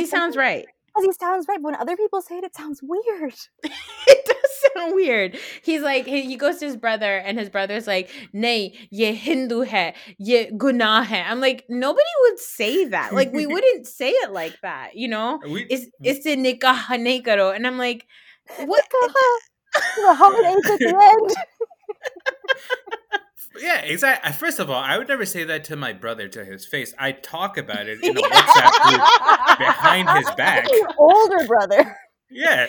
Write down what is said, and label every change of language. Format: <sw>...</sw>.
<en>he sounds right. Because he sounds right. But when other people say it, it sounds weird. It does sound weird. He's like, he goes to his brother and his brother's like,</en> <ur>nay, ye Hindu hai, ye gunah hai.</ur> <en>I'm like, nobody would say that. Like we wouldn't say it like that, you know? It's the</en> <ur>نکاح نہیں کرو.</ur> <en>And I'm like, what the heartache at the end. Yeah, exactly. First of all, I would never say that to my brother to his face. I talk about it in a WhatsApp group behind his back. Your older brother. Yeah.</en>